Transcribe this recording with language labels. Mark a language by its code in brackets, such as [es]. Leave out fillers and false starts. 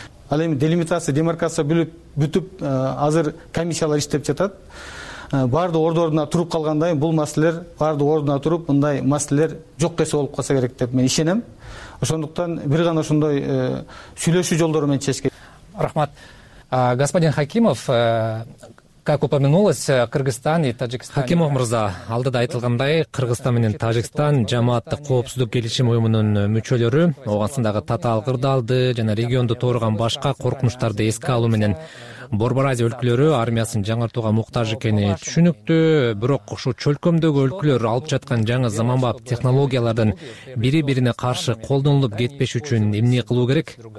[ky] Ал эми делимитация, демаркация бүлүп бүтүп, азыр комиссиялар иштеп жатат. Баардык ордуна туруп калгандан кийин бул маселелер баардык ордуна туруп, мындай маселелер жок кесе болуп калса керек деп мен ишенем. Ошондуктан бир гана ошондой сүйлөшүү жолдору менен чечкен. Рахмат. [ru] Господин Хакимов, как упомянулось, Кыргызстан и Таджикстан. [ky] Хакимов мырза, алдыда айтылгандай, Кыргызстан менен Таджикстан жамааттык коопсуздук келишим уюмунун мүчөлөрү Ооганстандагы татаал кырдаалды жана регионду тоорган башка коркунучтарды эске алуу менен Борбор Азия өлкөлөрү армиясын жаңыртууга муктаж экени түшүнүктүү, бирок ушул чөлкөмдөгү өлкөлөр алып жаткан жаңы заманбап технологиялардын бири бирине каршы колдонулуп кетпеш үчүн эмне кылуу керек?